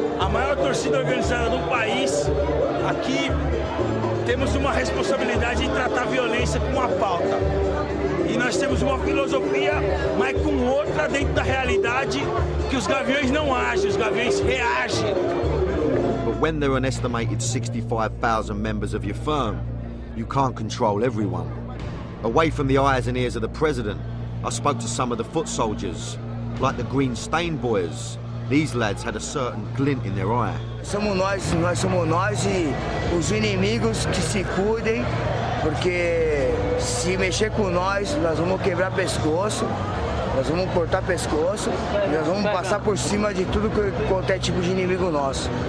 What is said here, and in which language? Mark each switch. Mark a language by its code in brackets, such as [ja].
[pt] maior torcida organizada do país. Aqui temos uma responsabilidade em tratar a violência com uma pauta. E nós temos uma filosofia, mas com outra dentro da realidade, que os gaviões não agem, os gaviões reagem. [en] But when there are an estimated 65,000 members of your firm, you can't control everyone. Away from the eyes and ears of the president, I spoke to some of the foot soldiers, like the Green Stain Boys. These lads had a certain glint in their eye. [pt] Somos nós, nós somos nós e os inimigos que se cuidem, porque se mexer com nós vamos quebrar pescoço, nós vamos cortar pescoço, e nós vamos passar por cima de tudo que qualquer tipo de inimigo nosso.